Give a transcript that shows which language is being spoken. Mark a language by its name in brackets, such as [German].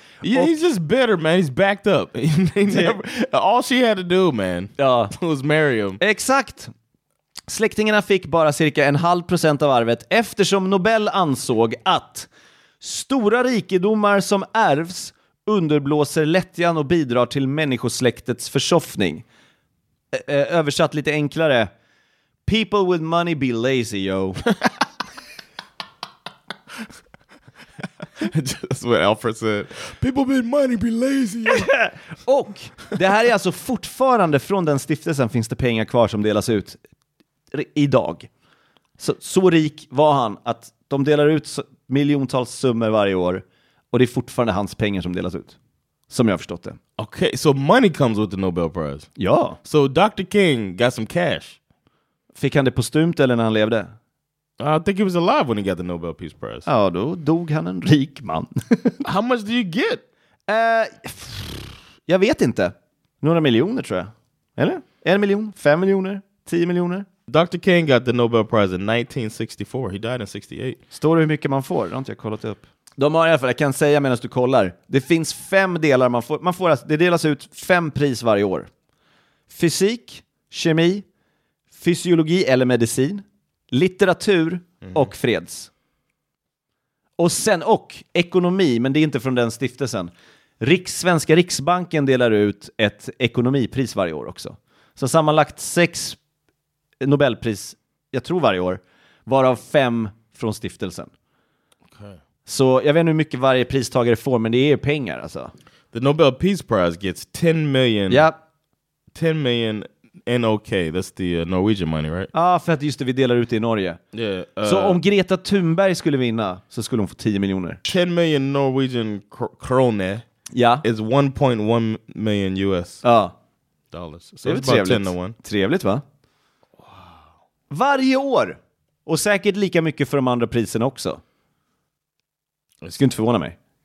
[English] Yeah, he's just bitter, man. He's backed up. All she had to do, man, was marry him. [Swedish] Exakt. Släktingarna fick bara cirka 0.5% av arvet eftersom Nobel ansåg att stora rikedomar som ärvs underblåser lättjan och bidrar till människosläktets försoffning. Översatt lite enklare. [English] People with money be lazy, yo. That's what Alfred said. People with money be lazy. [Swedish] Och det här är alltså fortfarande från den stiftelsen finns det pengar kvar som delas ut idag. Så rik var han att de delar ut miljontals summor varje år och det är fortfarande hans pengar som delas ut. Som jag har förstått det. [English] Okay, so money comes with the Nobel Prize. [Swedish] Ja. [English] So Dr. King got some cash. [Swedish] Fick han det postumt eller när han levde? [English] I think he was alive when he got the Nobel Peace Prize. [Swedish] Ja, då dog han en rik man. [English] How much do you get? [Swedish] Jag vet inte. Några miljoner tror jag. Eller? 1 miljon? 5 miljoner? 10 miljoner? [English] Dr. King got the Nobel Prize in 1964. He died in 68. [Swedish] Står det hur mycket man får? Det har inte jag kollat upp. De har i alla fall, jag kan säga medan du kollar. Det finns 5 delar man får. Det delas ut 5 pris varje år. Fysik, kemi, fysiologi eller medicin, litteratur och freds. Och sen och ekonomi, men det är inte från den stiftelsen. Svenska Riksbanken delar ut ett ekonomipris varje år också. Så sammanlagt 6 Nobelpris, jag tror varje år, varav 5 från stiftelsen. Okay. Så jag vet inte hur mycket varje pristagare får, men det är ju pengar alltså. [English] The Nobel Peace Prize gets 10 million. [Swedish] Ja. [English] 10 million. NOK, that's the Norwegian money, right? [Swedish] Ja, för att just det, vi delar ut det i Norge. [English] Yeah, [Swedish] så om Greta Thunberg skulle vinna så skulle hon få 10 miljoner. [English] 10 million Norwegian krone is 1.1 million US dollars. [Swedish] Så det är väl trevligt. 10-1. Trevligt, va? Wow. Varje år. Och säkert lika mycket för de andra priserna också. Det skulle inte förvåna mig.